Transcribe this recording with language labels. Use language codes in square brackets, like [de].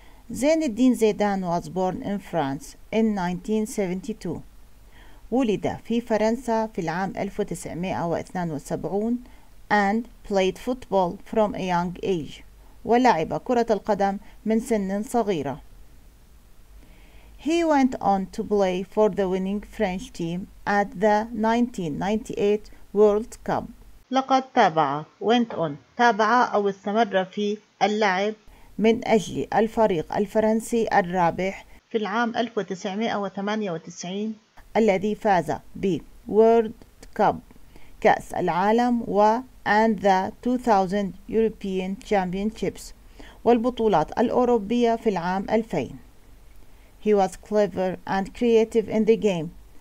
[en] زين الدين زيدان was born in France in 1972. [ar] ولد في فرنسا في العام 1972 [en] and played football from a young age. [ar] ولعب كرة القدم من سن صغيرة. [en] He went on to play for the winning French team at the 1998 World Cup. [ar] لقد تابع [en] went on [ar] تابع أو استمر في اللعب من أجل الفريق الفرنسي الرابح في العام 1998 الذي فاز ب World Cup كأس العالم و [en] and the 2000 European Championships [ar] والبطولات الأوروبية في العام 2000. [en] He was clever and creative in the game.